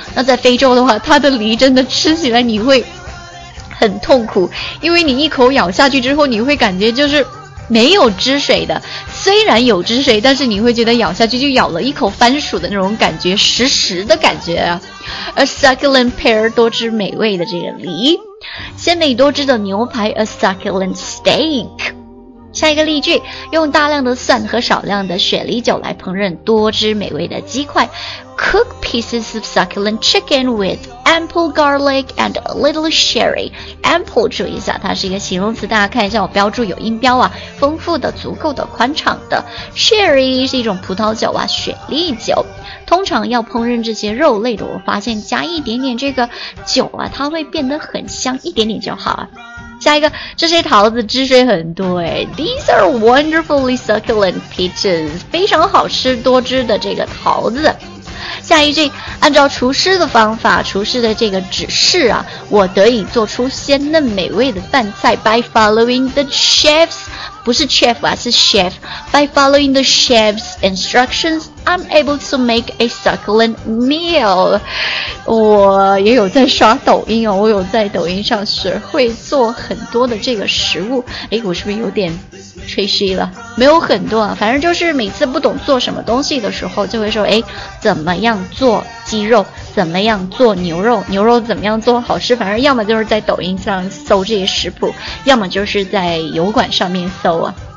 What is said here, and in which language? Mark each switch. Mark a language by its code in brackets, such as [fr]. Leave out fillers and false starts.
[zh] 那在非洲的话，它的梨真的吃起来你会很痛苦，因为你一口咬下去之后，你会感觉就是没有汁水的，虽然有汁水，但是你会觉得咬下去就咬了一口番薯的那种感觉，实实的感觉啊。 [en] A succulent pear， [zh] 多汁美味的这个梨，鲜美多汁的牛排 ， [en] a succulent steak。 [zh] 下一个例句，用大量的蒜和少量的雪梨酒来烹饪多汁美味的鸡块。 [en] Cook pieces of succulent chicken with ample garlic and a little sherry. [zh] Ample, 注意一下，它是一个形容词，大家看一下我标注有音标啊，丰富的，足够的，宽敞的。 Sherry 是一种葡萄酒啊，雪梨酒。通常要烹饪这些肉类的，我发现加一点点这个酒啊，它会变得很香，一点点就好啊。下一个，这些桃子汁水很多耶。 [en] These are wonderfully succulent peaches. [zh] 非常好吃多汁的这个桃子。下一句，按照厨师的方法，厨师的这个指示啊，我得以做出鲜嫩美味的饭菜。 [en] By following the chef's, [zh] 不是 [en] chef [zh] 啊，是 [en] chef. By following the chef's instructions, I'm able to make a succulent meal. [zh] 我也有在刷抖音哦，我有在抖音上学会做很多的这个食物。诶，我是不是有点吹嘘了？没有很多啊，反正就是每次不懂做什么东西的时候，就会说，诶，怎么样做鸡肉，怎么样做牛肉，牛肉怎么样做好吃，反正要么就是在抖音上搜这些食谱，要么就是在油管上面搜啊。